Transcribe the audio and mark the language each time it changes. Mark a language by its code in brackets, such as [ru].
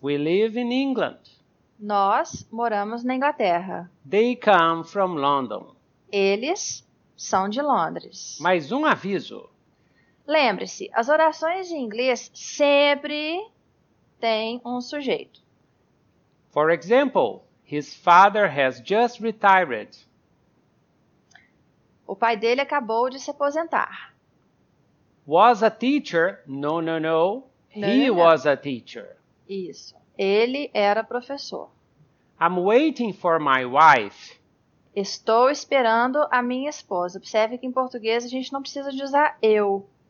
[en] We live in England. [pt] Nós moramos na Inglaterra. [en] They come from London. [pt] Eles são de Londres. Mais um aviso. Lembre-se, as orações em inglês sempre têm um sujeito. [en] For example, his father has just retired. [pt] O pai dele acabou de se aposentar. [en] Was a teacher? No, no, no. He was a teacher. [pt] Isso. Ele era professor. [en] I'm waiting for my wife. [pt] Estou esperando a minha esposa. Observe que em português a gente não precisa de usar eu.